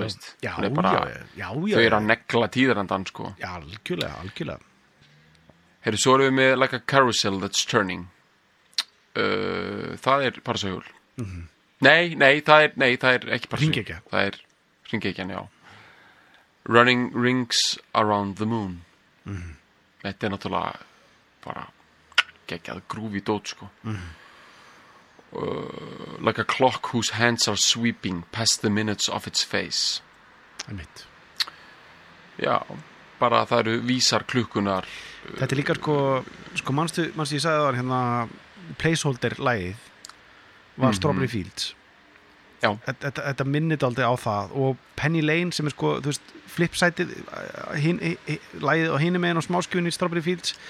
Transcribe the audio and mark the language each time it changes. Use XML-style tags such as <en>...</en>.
<is>þú veist já, bara, já, þau eru að negla tíðarandan, sko já, algjörlega, algjörlega herri, svo erum við með</is> <en>like a carousel that's turning</en> <is>það er bara svo hjól mhm Nei, það er ekki bara hringekja. Það er hringekjan, já.</is> <en>Running rings around the moon. Mm-hmm.</en> <is>Þetta náttúrulega bara geggjað grúfi dót, sko. Mm-hmm.</is> <en>Like a clock whose hands are sweeping past the minutes of its face.</en> <is>Einmitt. Já, bara það eru vísar klukkunar. Þetta líka, sko manstu ég sagði það hérna placeholder lagið. Var Strawberry Fields Já Þetta minnir daldi á það og Penny Lane sem sko, þú veist, flipsætið lagið á hinum einu og smáskjunni Strawberry Fields</is>